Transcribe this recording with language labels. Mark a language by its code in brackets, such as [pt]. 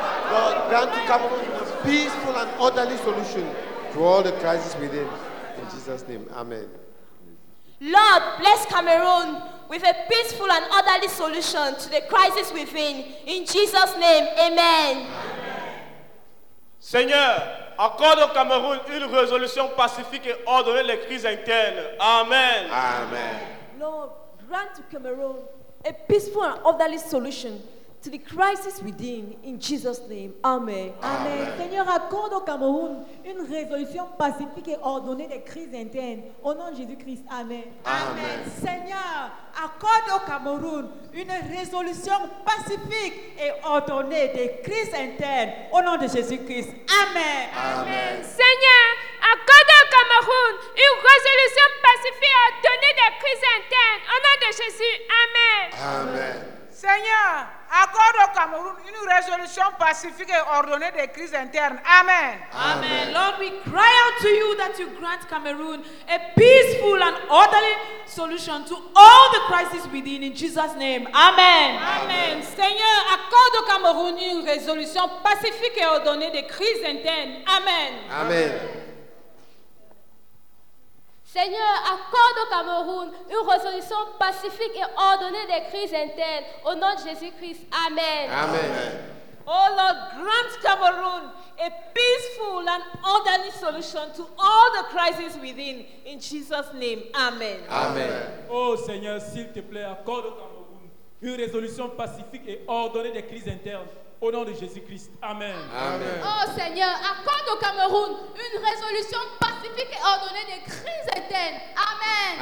[en] Lord, grant to Cameroon a peaceful and orderly solution to all the crises within. In Jesus' name, amen. Lord, bless Cameroon with a peaceful and orderly solution to the crisis within. In Jesus' name, amen. [fr] Seigneur, accorde au Cameroun une résolution pacifique et ordonnée les crises internes. Amen. Amen. [en] Lord, grant to Cameroon a peaceful and orderly solution to the crisis within, in Jesus' name. Amen. Amen. [fr] Seigneur, accorde au Cameroun une résolution pacifique et ordonnée des crises internes. Au nom de Jésus-Christ. Amen. Amen. Seigneur, accorde au Cameroun une résolution pacifique et ordonnée des crises internes. Au nom de Jésus-Christ. Amen. Amen. Seigneur, accorde au Cameroun une résolution pacifique et ordonnée des crises internes. Au nom de Jésus. Amen. Amen. Seigneur, accorde au Cameroun une résolution pacifique et ordonnée des crises internes. Amen. Amen. [en] Lord, we cry out to you that you grant Cameroon a peaceful and orderly solution to all the crises within, in Jesus' name. Amen. Amen. [fr] Seigneur, accorde au Cameroun une résolution pacifique et ordonnée des crises internes. Amen. Amen. Seigneur, accorde au Cameroun une résolution pacifique et ordonnée des crises internes. Au nom de Jésus-Christ. Amen. Amen. [en] Oh Lord, grant Cameroon a peaceful and orderly solution to all the crises within. In Jesus' name, amen. Amen. [fr] Oh Seigneur, s'il te plaît, accorde au Cameroun une résolution pacifique et ordonnée des crises internes. Au nom de Jésus-Christ. Amen. Amen. Oh Seigneur, accorde au Cameroun une résolution pacifique et ordonnée des crises internes. Amen.